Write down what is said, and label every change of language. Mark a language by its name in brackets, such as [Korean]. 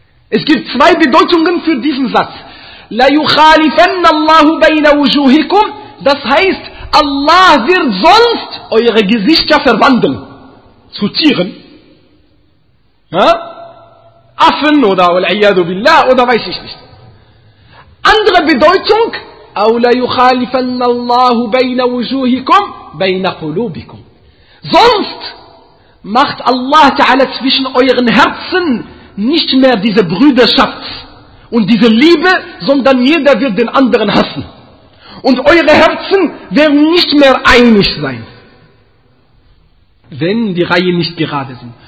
[German] Es gibt zwei Bedeutungen für diesen Satz. [Arabic] La yukhalifanna Allahu bayna wujuhikum. [German] Das heißt, Allah wird sonst eure Gesichter verwandeln zu Tieren. Ja? Affen oder [Arabic] wal'iyadu billah [German] oder weiß ich nicht. Andere Bedeutung, [Arabic] أو لا يخالفن الله بين وجوهكم بين قلوبكم. [German] Sonst macht Allah Ta'ala zwischen euren Herzen nicht mehr diese Brüderschaft und diese Liebe, sondern jeder wird den anderen hassen. Und eure Herzen werden nicht mehr einig sein, wenn die Reihe nicht gerade sind.